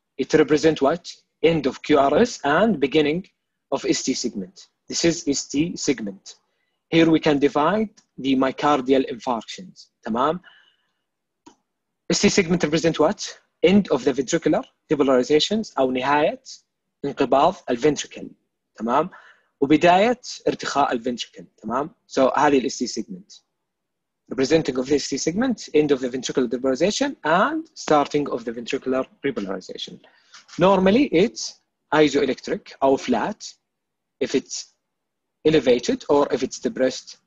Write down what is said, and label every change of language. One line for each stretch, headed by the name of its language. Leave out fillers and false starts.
English: It represents what? End of QRS and beginning of ST segment. This is ST segment. Here we can divide the myocardial infarctions. Tamam. ST segment represent what? End of the ventricular depolarizations
Arabic: أو نهاية انقباض الventricle. تمام؟ وبداية ارتخاء الventricle.
English: تمام؟ So
Arabic: هذه الST segment.
English: Representing of the ST segment, end of the ventricular depolarization and starting of the ventricular repolarization. Normally it's isoelectric أو flat if it's elevated or if it's depressed